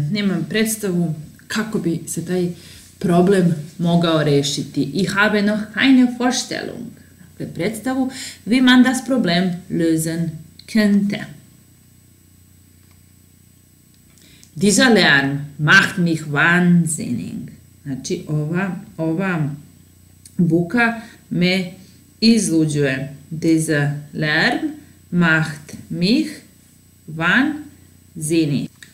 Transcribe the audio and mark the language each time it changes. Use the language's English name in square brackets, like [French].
[Serbian] Nemam predstavu kako bi se taj problem mogao rešiti. [German] Ich habe noch keine Vorstellung. [Serbian] Dakle, predstavu [German] wie man das Problem lösen könnte. Dieser Lärm macht mich wahnsinnig. [Serbian] Znači, ova buka me izluđuje. [German] Dieser Lärm macht mich wahnsinnig.